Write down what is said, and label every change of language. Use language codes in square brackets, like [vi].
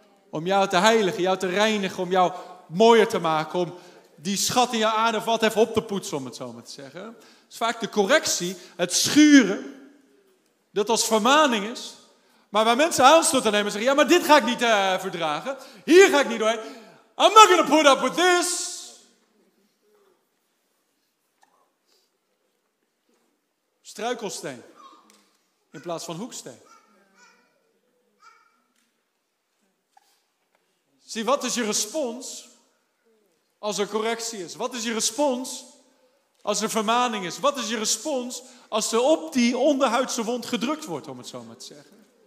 [nl] Om jou te heiligen, jou te reinigen, om jou mooier te maken, om die schat in je aarde of wat even op te poetsen, om het zo maar te zeggen. Het is vaak de correctie, het schuren, dat als vermaning is. Maar waar mensen aanstoot aan nemen en zeggen, ja, maar dit ga ik niet verdragen. Hier ga ik niet doorheen. [en] I'm not going to put up with this. [nl] Struikelsteen in plaats van hoeksteen. Zie, wat is je respons als er correctie is? Wat is je respons als er vermaning is? Wat is je respons als er op die onderhuidse wond gedrukt wordt, om het zo maar te zeggen?